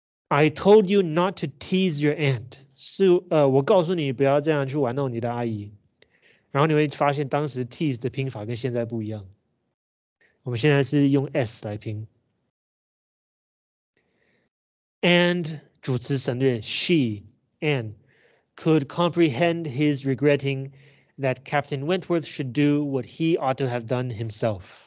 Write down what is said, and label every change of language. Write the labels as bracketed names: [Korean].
[English] I told you not to tease your aunt. [Chinese] 是我告诉你不要这样去玩弄你的阿姨。然后你会发现当时 tease 的拼法跟现在不一样，我们现在是用 s 来拼。 [English] And [Chinese] 主持省略 [English] she Anne could comprehend his regretting that Captain Wentworth should do what he ought to have done himself.